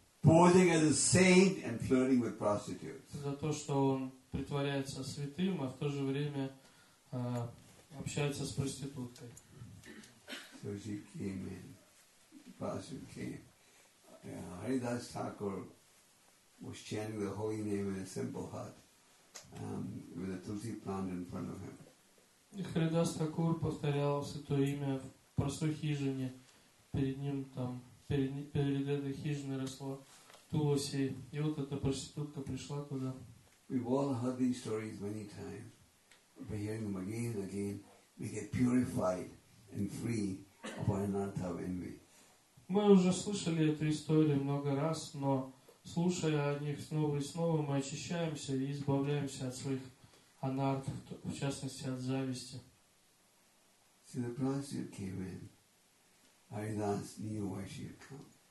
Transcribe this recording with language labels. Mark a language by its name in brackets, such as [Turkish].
[English] Posing as a saint and flirting with prostitutes. [Russian] За то, что он притворяется святым, а в то же время общается с проституткой. [English] So she came in. Prostitute came. Yeah, Haridas Thakur was chanting the holy name in a simple hut with a tulsi plant in front of him. [Russian] Haridas Thakur повторял святое имя в простой хижине. Перед ним там, перед этой хижиной росло тулоси. И вот эта проститутка пришла туда. [English] We've all heard these stories many times. By hearing them again and again, we get purified and free of our anartha of envy. [Russian] Мы уже слышали эту историю много раз, но слушая о них снова и снова, мы очищаемся и избавляемся от своих анарт, в частности, от зависти. [English] See, the prostitute came in. Haridas knew why she had come.